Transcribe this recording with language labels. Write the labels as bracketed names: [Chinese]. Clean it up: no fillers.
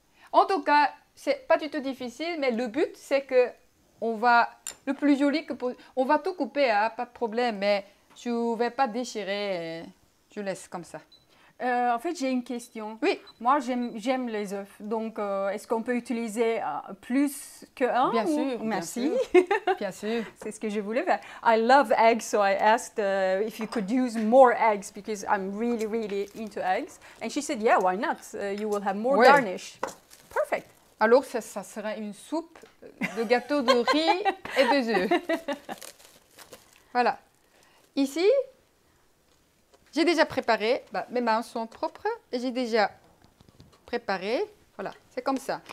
[French] En tout cas, ce n'est pas du tout difficile, mais le but, c'est que on va, le plus joli que possible, on va tout couper, hein, pas de problème, mais je ne vais pas déchirer, je laisse comme ça. En fait, j'ai une question. Oui. Moi, j'aime les œufs. Donc, est-ce qu'on peut utiliser plus qu'un? Bien sûr. Merci. Bien sûr. C'est ce que je voulais faire. [English] I love eggs, so I asked if you could use more eggs because I'm really, really into eggs. And she said, yeah, why not? You will have more garnish. Perfect. [French] Alors, ça sera une soupe de gâteau de riz et des œufs. Voilà. Ici. J'ai déjà préparé, mes mains sont propres, et j'ai déjà préparé, voilà, c'est comme ça.